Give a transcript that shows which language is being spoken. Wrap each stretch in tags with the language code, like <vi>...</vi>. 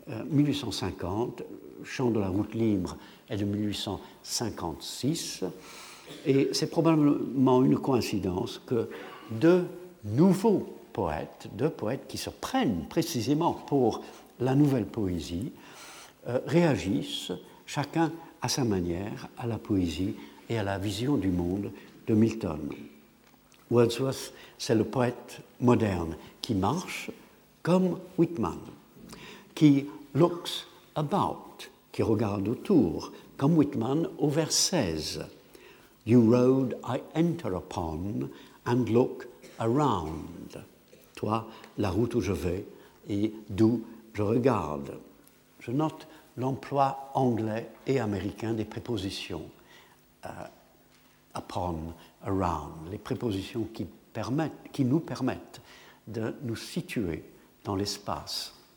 <fr>1850, Chant de la route libre est de 1856, et c'est probablement une coïncidence que deux nouveaux poètes, deux poètes qui se prennent précisément pour la nouvelle poésie, réagissent chacun à sa manière à la poésie et à la vision du monde de Milton. Wordsworth, c'est le poète moderne qui marche comme Whitman, qui</fr> <en>looks about,</en> <fr>qui regarde autour, comme Whitman au vers 16.</fr> <en>You road I enter upon and look around.</en> <fr>Toi, la route où je vais et d'où je regarde. Je note l'emploi anglais et américain des prépositions. Upon, around, les prépositions qui nous permettent de nous situer dans l'espace.</fr>